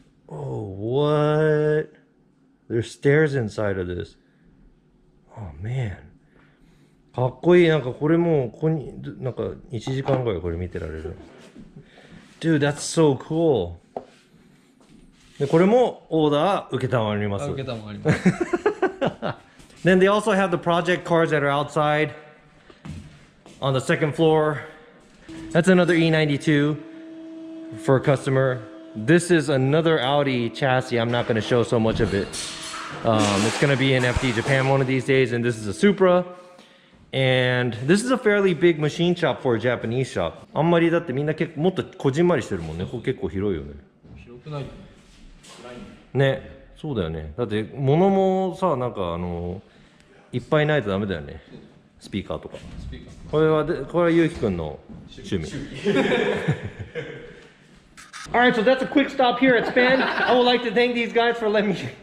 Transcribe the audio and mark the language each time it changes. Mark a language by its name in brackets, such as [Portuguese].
[English] Oh, what? There's stairs inside of this. Oh, man. [Japanese] かっこいい。なんかこれもここに、なんか1時間ぐらいこれ見てられる。 [English] Dude, that's so cool. [Japanese] で、これもオーダー受けたまります。受けたまります。 [English] Then they also have the project cars that are outside on the second floor. That's another E92 for a customer. This is another Audi chassis. I'm not going to show so much of it. It's gonna be in FD Japan one of these days, and this is a Supra. And this is a fairly big machine shop for a Japanese shop. [Japanese] あんまりだってみんな結構もっとこじんまりしてるもんね。ここ結構広いよね。広くない。ね、そうだよね。だって物もさ、なんかいっぱいないとダメだよね。スピーカーとか。これはゆうきくんの趣味。 [English] All right, so that's a quick stop here at Span. I would like to thank these guys for letting me.